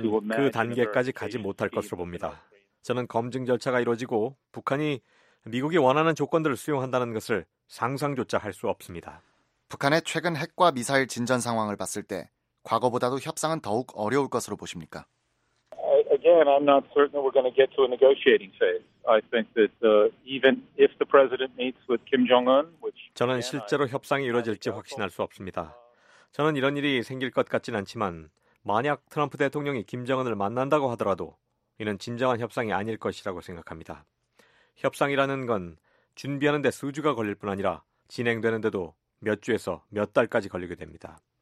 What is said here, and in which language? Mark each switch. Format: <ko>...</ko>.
<ko>저는 그 단계까지 가지 못할 것으로 봅니다. 저는 검증 절차가 이루어지고 북한이 미국이 원하는 조건들을 수용한다는 것을 상상조차 할 수 없습니다. 북한의 최근 핵과 미사일 진전 상황을 봤을 때 과거보다도 협상은 더욱 어려울 것으로 보십니까?</ko> <en>Again, I'm not certain we're going to get to a negotiating phase. I think that even if the president meets with Kim Jong-un, which</en> <ko>저는 실제로 협상이 이루어질지 확신할 수 없습니다. 저는 이런 일이 생길 것 같진 않지만 만약 트럼프 대통령이 김정은을 만난다고 하더라도 이는 진정한 협상이 아닐 것이라고 생각합니다. 협상이라는 건 준비하는 데 수주가 걸릴 뿐 아니라 진행되는 데도 몇 주에서 몇 달까지 걸리게 됩니다.</ko>